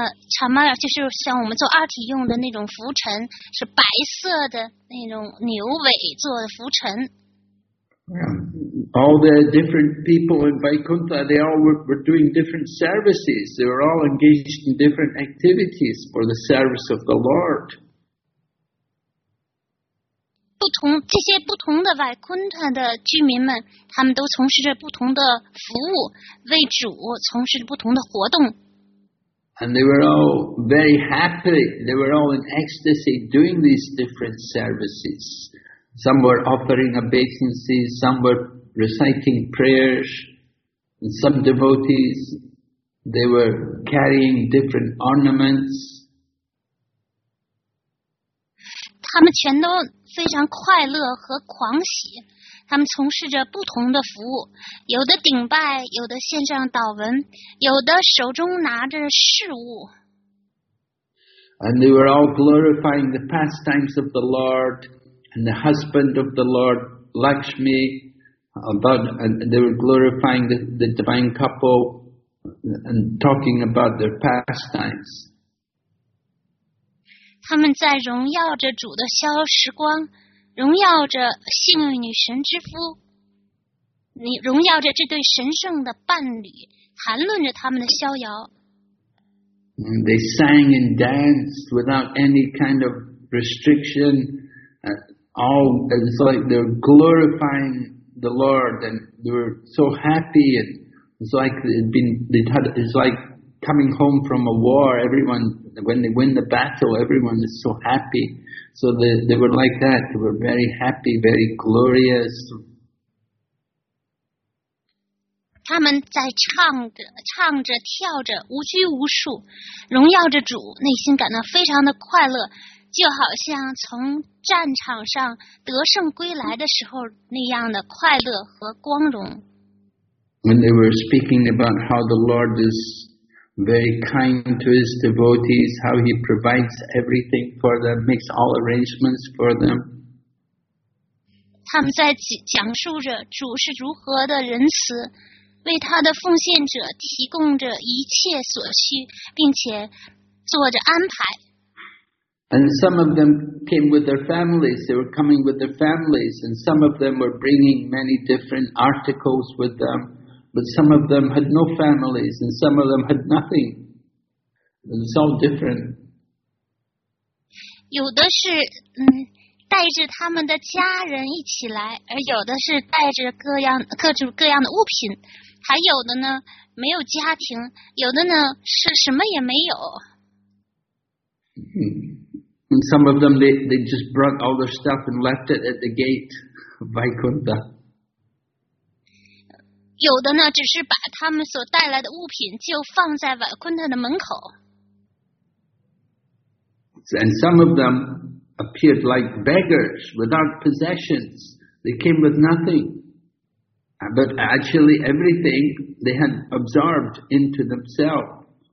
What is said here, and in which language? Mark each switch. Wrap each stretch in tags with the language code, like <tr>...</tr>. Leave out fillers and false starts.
<zh>Chamara 就是像我们做RT用的那种浮尘，是白色的那种牛尾做的浮尘。 Yeah.</zh> <en>All the different people in Vaikuntha, they all were doing different services. They were all engaged in different activities for the service of the Lord.</en> <zh>不同这些不同的外昆特的居民们，他们都从事着不同的服务，为主从事着不同的活动。</zh> <en>And they were all very happy. They were all in ecstasy doing these different services. Some were offering obeisances, some were reciting prayers, and some devotees, they were carrying different ornaments.</en> <zh>他们全都非常快乐和狂喜，他们从事着不同的服务，有的顶拜，有的献上祷文，有的手中拿着饰物。</zh> <en>And they were all glorifying the pastimes of the Lord and the husband of the Lord Lakshmi, and they were glorifying the divine couple and talking about their pastimes.</en> <zh>他们在荣耀着主的逍遥时光，荣耀着幸运女神之夫，你荣耀着这对神圣的伴侣，谈论着他们的逍遥。</zh> <en>And they sang and danced without any kind of restriction, all it's like they're glorifying the Lord, and they were so happy, and it's like it's like coming home from a war, everyone. When they win the battle, everyone is so happy. So they were like that. They were very happy, very glorious.</en> <zh>他们在唱着跳着，无拘无束，荣耀着主，内心感到非常的快乐，就好像从战场上得胜归来的时候那样的快乐和光荣。</zh> <en>When they were speaking about how the Lord is. Very kind to his devotees, how he provides everything for them, makes all arrangements for them.</en> <zh>他们在讲述着主是如何的仁慈，为他的奉献者提供着一切所需，并且做着安排。</zh> <en>And some of them came with their families, they were coming with their families, and some of them were bringing many different articles with them. But some of them had no families, and some of them had nothing. It's all different.</en> <zh>有的是带着他们的家人一起来，而有的是带着各种各样的物品，还有的呢没有家庭，有的呢是什么也没有。</zh> <en>And some of them they just brought all their stuff and left it at the gate of Vaikuntha.</en> <zh>有的呢只是把他们所带来的物品就放在瓦昆特的门口。</zh> <en>And some of them appeared like beggars without possessions. They came with nothing. But actually everything they had absorbed into themselves.</en>